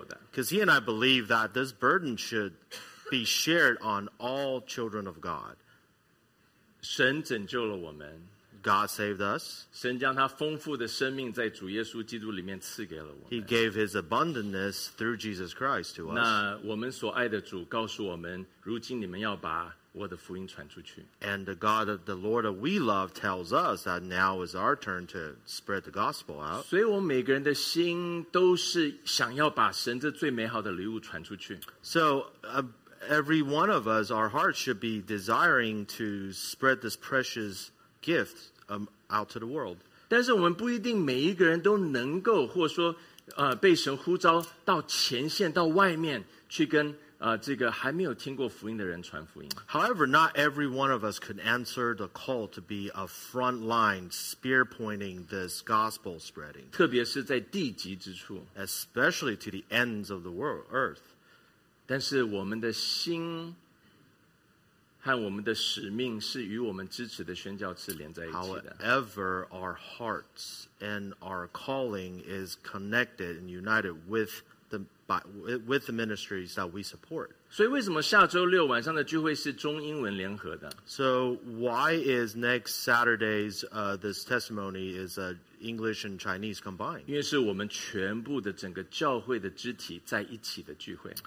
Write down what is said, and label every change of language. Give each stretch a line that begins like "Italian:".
English: Because he and I believe that this burden should be shared on all children of God.
Chinese: 神拯救了我们。
English: God saved us.
Chinese: 神将他丰富的生命在主耶稣基督里面赐给了我们。
English: He gave his abundantness through Jesus Christ to us.
Chinese: 那我们所爱的主告诉我们，如今你们要把我的福音传出去。
English: And the God, the Lord that we love tells us that now is our turn to spread the gospel out.
Chinese: 所以我们每个人的心都是想要把神这最美好的礼物传出去。
English: So, every one of us, our hearts should be desiring to spread this precious gift out to the world.
Chinese: 但是我们不一定每一个人都能够，或者说，被神呼召到前线，到外面去跟这个还没有听过福音的人传福音。
English: However, not every one of us could answer the call to be a front line spear pointing this gospel spreading.
Chinese: 特别是在地极之处。
English: Especially to the ends of the world, earth.
Chinese: 但是我们的心。和我们的使命是与我们支持的宣教士连在一起的。
English: However, our hearts and our calling is connected and united with the ministries that we support.
Chinese: 所以为什么下周六晚上的聚会是中英文联合的
English: ？So why is next Saturday's this testimony is English and Chinese combined?
Chinese: 因为是我们全部的整个教会的肢体在一起的聚会。